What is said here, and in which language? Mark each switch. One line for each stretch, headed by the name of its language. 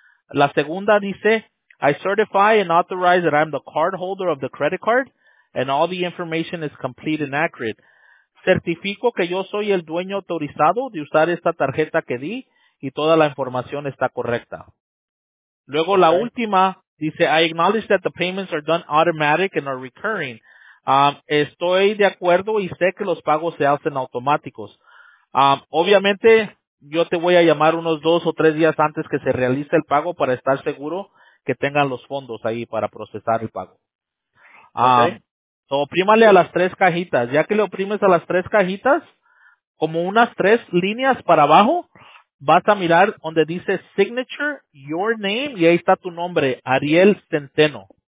Spanish: La segunda dice,
English: I certify and authorize that I'm the cardholder of the credit card and all the information is complete and accurate.
Spanish: Certifico que yo soy el dueño autorizado de usar esta tarjeta que di y toda la información está correcta. Luego la última dice,
English: I acknowledge that the payments are done automatic and are recurring.
Spanish: Estoy de acuerdo y sé que los pagos se hacen automáticos. Obviamente, yo te voy a llamar unos dos o tres días antes que se realice el pago para estar seguro que tengan los fondos ahí para procesar el pago. Okay. Oprímale a las tres cajitas. Ya que le oprimes a las tres cajitas, como unas tres líneas para abajo, vas a mirar donde dice Signature, Your Name, y ahí está tu nombre, Ariel Centeno.